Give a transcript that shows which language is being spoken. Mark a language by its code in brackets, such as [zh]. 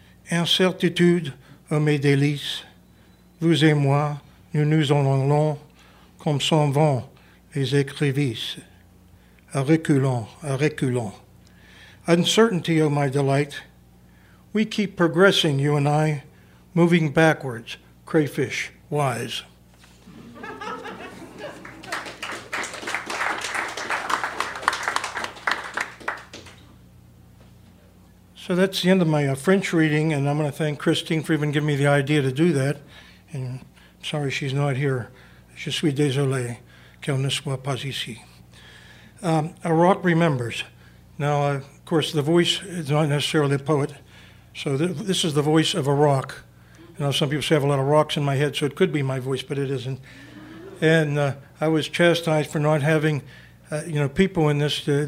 [fr] Incertitude, ô mes délices, vous et moi, nous nous en allons, comme s'en vont les écrevisses, à reculons, à reculons. [en] Uncertainty, ô my delight, we keep progressing, you and I, moving backwards, crayfish wise. So that's the end of my French reading, and I'm going to thank Christine for even giving me the idea to do that. And sorry she's not here. [fr] Je suis désolé qu'elle ne soit pas ici. [en] A rock remembers. Now, of course, the voice is not necessarily a poet, so this is the voice of a rock. You know, some people say I have a lot of rocks in my head, so it could be my voice, but it isn't. And I was chastised for not having, people in this.